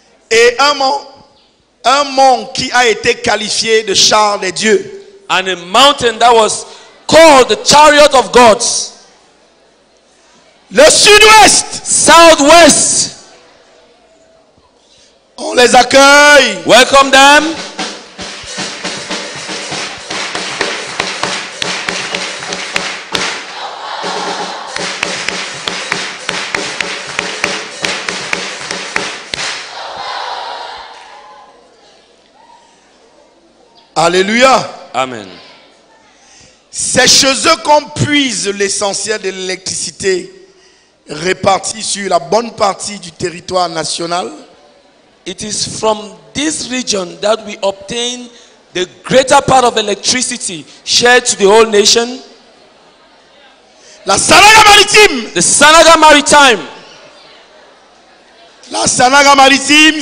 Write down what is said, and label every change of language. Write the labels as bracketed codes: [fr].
[fr] Et un mont qui a été qualifié de char des dieux. [en] And a mountain that was called the chariot of gods. [fr] Le sud-ouest. [en] Southwest. [fr] On les accueille. [en] Welcome them. [fr] Alléluia. [en] Amen. [fr] C'est chez eux qu'on puise l'essentiel de l'électricité répartie sur la bonne partie du territoire national. [en] It is from this region that we obtain the greater part of electricity shared to the whole nation. [fr] La Sanaga Maritime. [en] The Sanaga Maritime. [fr] La Sanaga Maritime.